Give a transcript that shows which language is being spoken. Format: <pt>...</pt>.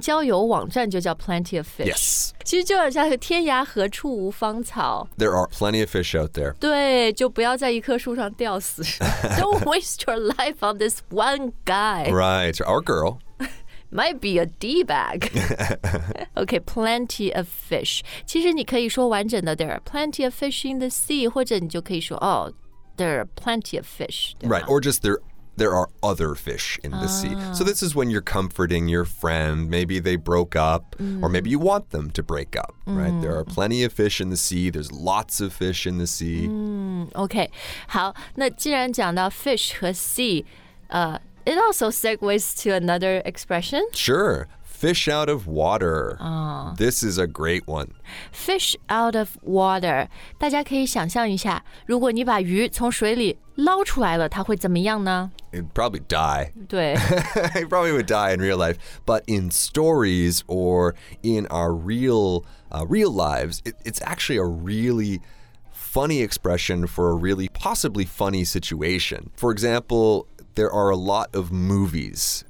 <zh>有一个婚恋交友网站就叫plenty of fish.</zh> <en>Yes.</en> <zh>其实就好像天涯何处无芳草。</zh> <en>There are plenty of fish out there.</en> <zh>对,就不要在一棵树上吊死。</zh> <en>Don't waste your life on this one guy. Right, our girl. Might be a D-bag. Okay, plenty of fish.</en> <zh>其实你可以说完整的,</zh> <en>there are plenty of fish in the sea,</en> <zh>或者你就可以说,</zh> <en>oh, there are plenty of fish. Right, or just there are other fish in the sea. So this is when you're comforting your friend. Maybe they broke up, or maybe you want them to break up, right? There are plenty of fish in the sea. There's lots of fish in the sea. Okay,</en> <zh>好,那既然讲到fish和sea,</zh> <en>It also segues to another expression. Sure. Fish out of water. This is a great one. Fish out of water.</en> <zh>大家可以想象一下, 如果你把鱼从水里捞出来了, 它会怎么样呢?</zh> <en>It'd probably die.</en> <zh>对。</zh> <en>It probably would die in real life. But in stories or in our real lives, it's actually a really funny expression for a really possibly funny situation. For example, there are a lot of movies.</en>